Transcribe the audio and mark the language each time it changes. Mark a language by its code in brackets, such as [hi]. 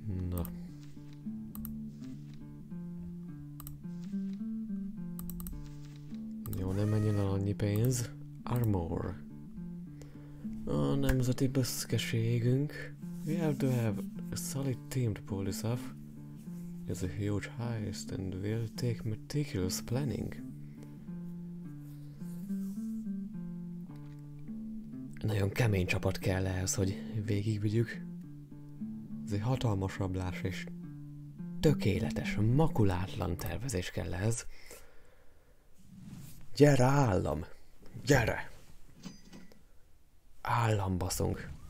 [hu] Na. Jó, nem menjen el annyi pénz. Armor. A nemzeti büszkeségünk. [en] We have to have a solid team to pull this off. It's a huge heist and will take meticulous planning. [hu] Nagyon kemény csapat kell ehhez, hogy végigvigyük. Ez egy hatalmas rablás és tökéletes, makulátlan tervezés kell ehhez. Gyere állam! Gyere! Állambaszunk.